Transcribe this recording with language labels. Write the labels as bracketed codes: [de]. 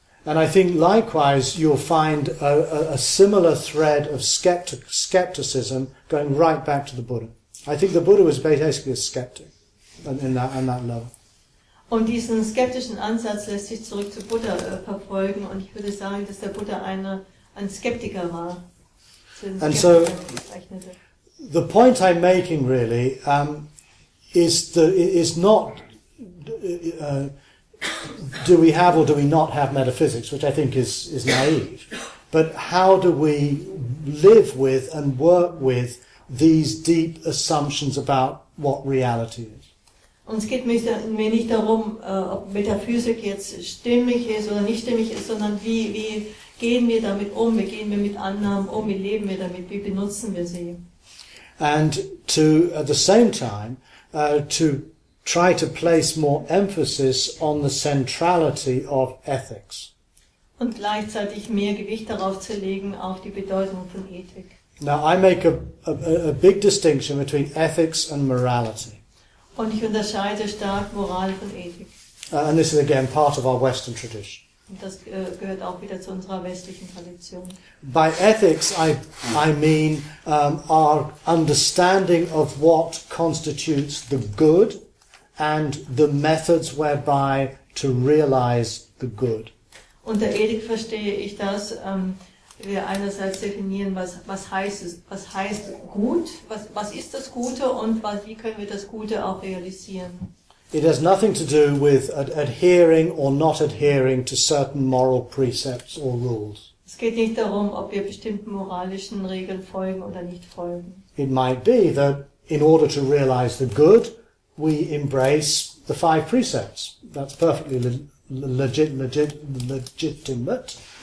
[en] And I think likewise you'll find a similar thread of skepticism going right back to the Buddha. I think the Buddha was basically a skeptic in that level. [de] Und diesen skeptischen Ansatz lässt sich zurück zu Buddha verfolgen, und ich würde sagen, dass der Buddha ein Skeptiker war. [en] And so the point I'm making really do we have or do we not have metaphysics, which I think is naive, but how do we live with and work with these deep assumptions about what reality is? [de] Uns geht mir nicht darum, ob Metaphysik jetzt stimmig ist oder nicht stimmig ist, sondern wie gehen wir damit um, wie gehen wir mit Annahmen um, wie leben wir damit, wie benutzen wir sie. [en] And to, at the same time, to try to place more emphasis on the centrality of ethics. [de] Und gleichzeitig mehr Gewicht darauf zu legen, auf die Bedeutung von Ethik. [en] Now I make a big distinction between ethics and morality. [de] Und ich unterscheide stark Moral von Ethik. [en] And this is again part of our Western tradition. [de] Und das gehört auch wieder zu unserer westlichen Tradition. [en] By ethics, I mean our understanding of what constitutes the good and the methods whereby to realize the good. [de] Unter Ethik verstehe ich das, wir einerseits definieren, was heißt gut, was ist das Gute und wie können wir das Gute auch realisieren. [en] It has nothing to do with adhering or not adhering to certain moral precepts or rules. [de] Es geht nicht darum, ob wir bestimmten moralischen Regeln folgen oder nicht folgen. [en] It might be that in order to realize the good, we embrace the five precepts. That's perfectly legitimate.